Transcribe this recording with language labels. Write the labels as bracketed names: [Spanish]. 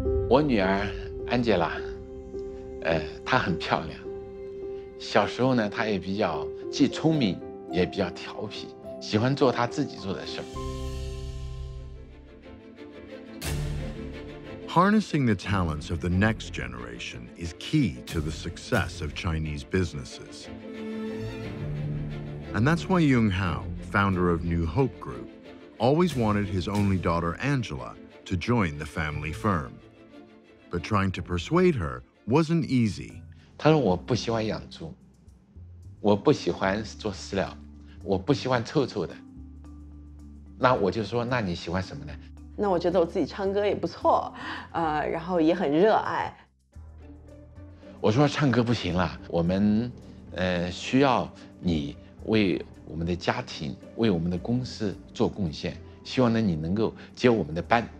[Chinese] 我女儿安杰拉，她很漂亮。小时候呢，她也比较既聪明也比较调皮，喜欢做她自己做的事儿。 [English] Harnessing the talents of the next generation is key to the success of Chinese businesses. And that's why Yung Hao, founder of New Hope Group, always wanted his only daughter, Angela, to join the family firm. But trying to persuade her wasn't easy. He said, I don't like raising chickens. I don't like making feed. I don't like smelling. Then I said, what do you like? [Chinese] 那我觉得我自己唱歌也不错，然后也很热爱。我说唱歌不行了，我们需要你为我们的家庭，为我们的公司做贡献，希望呢你能够接我们的班。